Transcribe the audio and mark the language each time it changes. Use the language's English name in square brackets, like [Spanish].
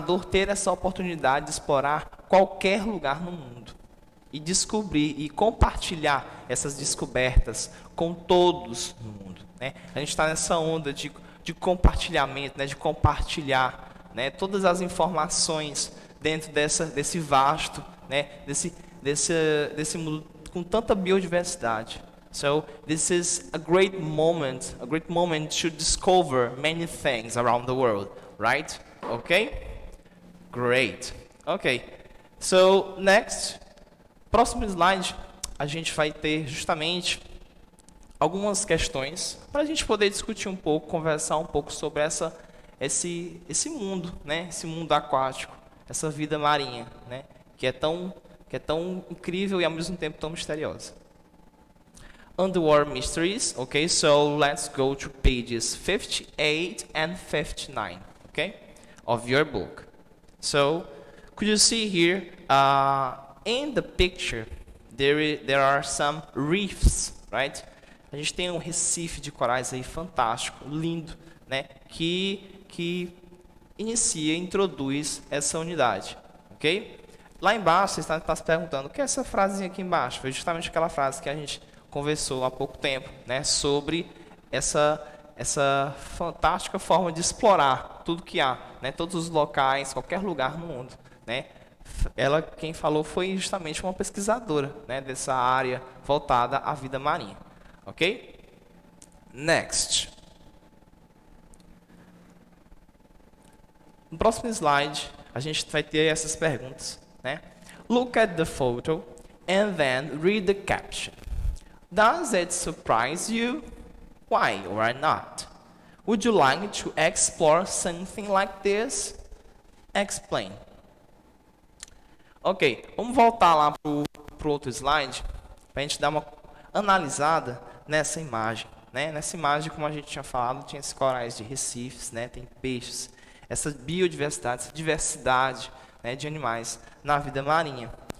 [Portuguese] Ter essa oportunidade de explorar qualquer lugar no mundo e descobrir e compartilhar essas descobertas com todos no mundo, né? A gente está nessa onda de compartilhamento, né? De compartilhar, né? Todas as informações dentro desse vasto, né, desse mundo com tanta biodiversidade. [English] So, this is a great moment to discover many things around the world, right? Okay? Great. Okay. So, next, [Portuguese] próximo slide, a gente vai ter justamente algumas questões para a gente poder discutir um pouco, conversar um pouco sobre esse mundo, né, esse mundo aquático. Essa vida marinha, né? Que é tão incrível e ao mesmo tempo tão misteriosa. [English] Underwater mysteries, okay? So let's go to pages 58 and 59, okay? Of your book. So, could you see here, in the picture, there are some reefs, right? [Portuguese] A gente tem um recife de corais aí fantástico, lindo, né? Que inicia, introduz essa unidade, ok? Lá embaixo, você está se perguntando, o que é essa frasezinha aqui embaixo? Foi justamente aquela frase que a gente conversou há pouco tempo, né? Sobre essa fantástica forma de explorar tudo que há, né? Todos os locais, qualquer lugar no mundo, né? Ela, quem falou, foi justamente uma pesquisadora, né? Dessa área voltada à vida marinha, ok? [English] Next. [Portuguese] No próximo slide, a gente vai ter essas perguntas, né? [English] Look at the photo and then read the caption. Does it surprise you? Why or why not? Would you like to explore something like this? Explain. [Portuguese] Ok, vamos voltar lá pro outro slide para a gente dar uma analisada nessa imagem, né? Nessa imagem, como a gente tinha falado, tinha esses corais de recifes, né? Tem peixes. Essa biodiversidade, essa diversidade, né, de animais na vida marinha.